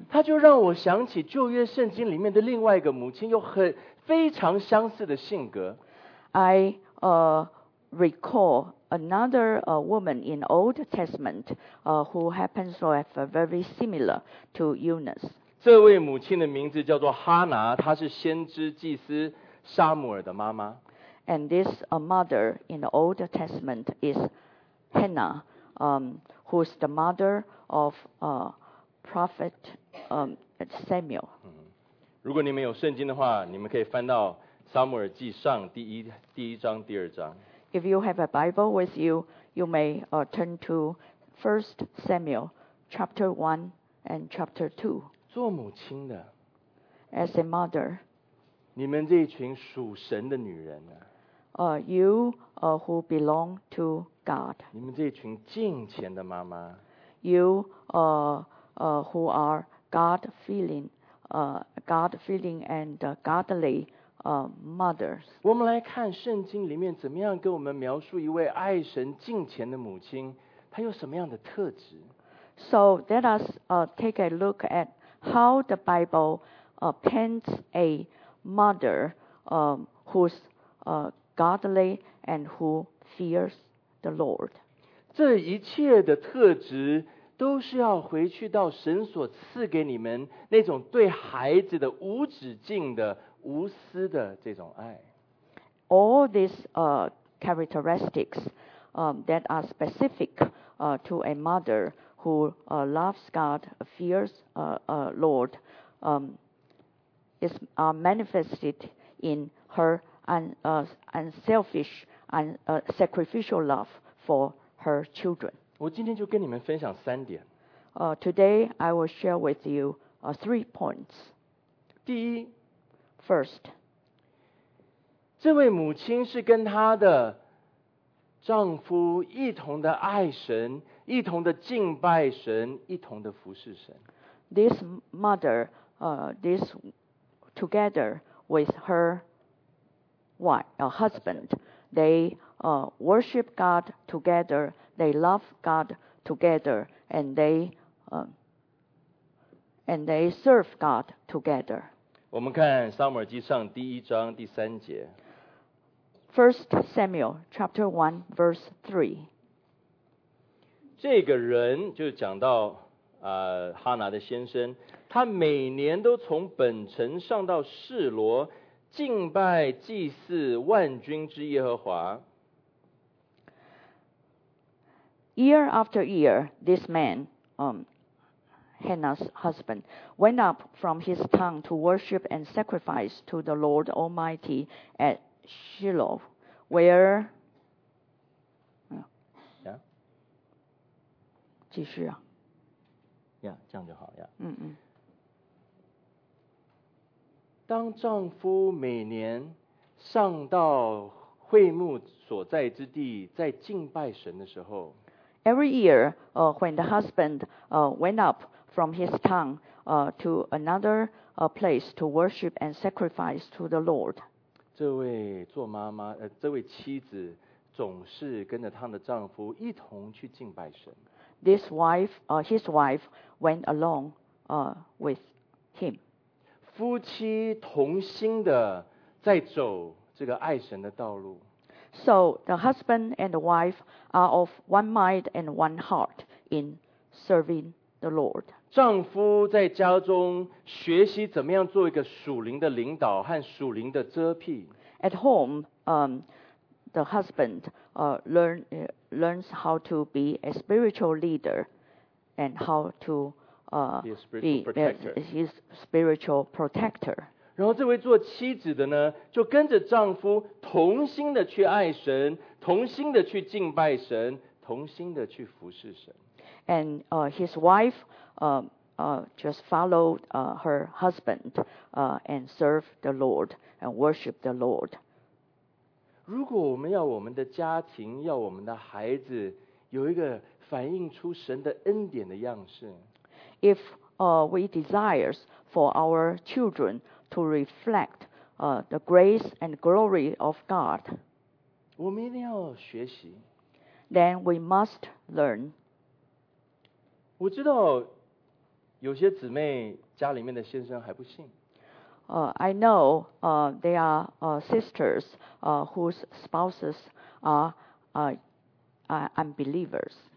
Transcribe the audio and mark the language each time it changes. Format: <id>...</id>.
<zh>她就让我想起旧约圣经里面的另外一个母亲，有很非常相似的性格。</zh> <en>I recall. Another woman in Old Testament who happens to have very similar to Eunice.</en> <zh>这位母亲的名字叫做哈拿，她是先知祭司撒母耳的妈妈。</zh> <en>And this mother in the Old Testament is Hannah, who is the mother of prophet Samuel.</en> <zh>如果你们有圣经的话，你们可以翻到撒母耳记上第一章第二章。</zh> <en>If you have a Bible with you, you may turn to 1 Samuel, chapter 1 and chapter 2.</en> <zh>做母亲的</zh> <en>As a mother,</en> <zh>你们这群属神的女人啊。</zh> <en>You who belong to God.</en> <zh>你们这群敬虔的妈妈。</zh> <en>You who are God-fearing and godly mothers.</en> <zh>我们来看圣经里面怎么样给我们描述一位爱神敬虔的母亲，她有什么样的特质。</zh> <en>So let us take a look at how the Bible paints a mother who's godly and who fears the Lord.</en> <zh>这一切的特质都是要回去到神所赐给你们那种对孩子的无止境的无私的这种爱。</zh> <en>All these characteristics that are specific to a mother who loves God, fears Lord, is manifested in her unselfish and sacrificial love for her children.</en> <zh>我今天就跟你们分享三点。</zh> <en>Today I will share with you three points.</en> <zh>第一</zh> <en>，First，</en> <zh>这位母亲是跟她的丈夫一同的爱神，一同的敬拜神，一同的服侍神。</zh> <en>This mother, this together with her husband, they worship God together, they love God together, and they serve God together.</en> <zh>我们看《撒母耳记上》第一章第三节。</zh> <en>First Samuel chapter 1 verse 3。</en> <zh>这个人就讲到哈拿的先生，他每年都从本城上到示罗敬拜祭祀万军之耶和华。</zh> <en>Year after year, this man, Hannah's husband, went up from his town to worship and sacrifice to the Lord Almighty at Shiloh, where.</en> <zh>继续啊。这样就好呀。嗯嗯。当丈夫每年上到会幕所在之地在敬拜神的时候，</zh> <en>Every year, when the husband went up from his town to another place to worship and sacrifice to the Lord.</en> <zh>这位做妈妈这位妻子总是跟着她的丈夫一同去敬拜神。</zh> <en>This wife, his wife went along with him.</en> <zh>夫妻同心的在走这个爱神的道路。</zh> <en>So the husband and the wife are of one mind and one heart in serving the Lord.</en> <zh>丈夫在家中学习怎么样做一个属灵的领导和属灵的遮蔽。</zh> <en>At home, the husband learns how to be a spiritual leader and how to. His spiritual protector.</en> <zh>然后这位做妻子的呢，就跟着丈夫同心的去爱神，同心的去敬拜神，同心的去服侍神。</zh> <en>And his wife just followed her husband and served the Lord and worshiped the Lord.</en> <zh>如果我们要我们的家庭，要我们的孩子有一个反映出神的恩典的样式。</zh> <en>If we desire for our children to reflect the grace and glory of God,</en> <zh>我们一定要学习。</zh> <en>Then we must learn.</en> <zh>我知道有些姊妹家里面的先生还不信。</zh> <en>I know there are sisters whose spouses are unbelievers.</en>